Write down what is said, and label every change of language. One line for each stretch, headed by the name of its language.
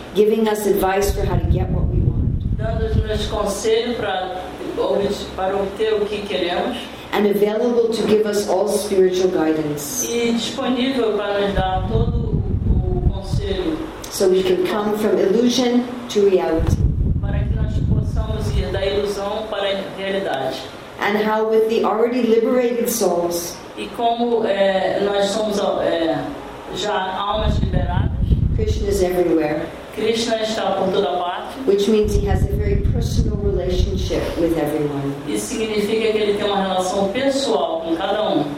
English: Giving us advice for how to get what we want.
Portuguese: Dando-nos conselho para obter o que queremos.
English: And available to give us all spiritual guidance.
Portuguese: E disponível para nos dar todo o conselho.
English: So we can come from illusion to reality.
Portuguese: Para que nós possamos ir da ilusão para a realidade.
English: And how with the already liberated souls.
Portuguese: E como nós somos já almas liberadas.
English: Krishna is everywhere.
Portuguese: Krishna está por toda parte.
English: Which means he has a very personal relationship with everyone.
Portuguese: Isso significa que ele tem uma relação pessoal com cada um.